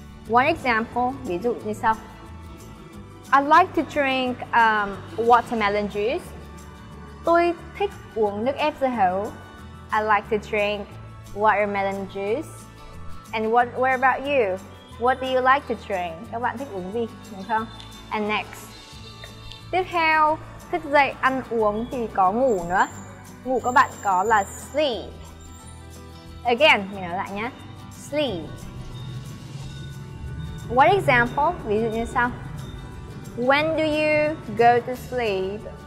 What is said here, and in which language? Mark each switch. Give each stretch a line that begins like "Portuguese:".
English: One example,
Vietnamese: ví dụ như sau.
English: I like to drink watermelon juice.
Vietnamese: Tôi thích uống nước ép dưa hấu.
English: I like to drink watermelon juice. And what about you? What do you like to drink?
Vietnamese: Các bạn thích uống gì, đúng không?
English: And next.
Vietnamese: Tiếp theo, thức dậy ăn uống thì có ngủ nữa. Ngủ các bạn có là sleep. Again, mình nói lại nhé. Sleep.
English: What example?
Vietnamese: Ví dụ như sau.
English: When do you go to sleep?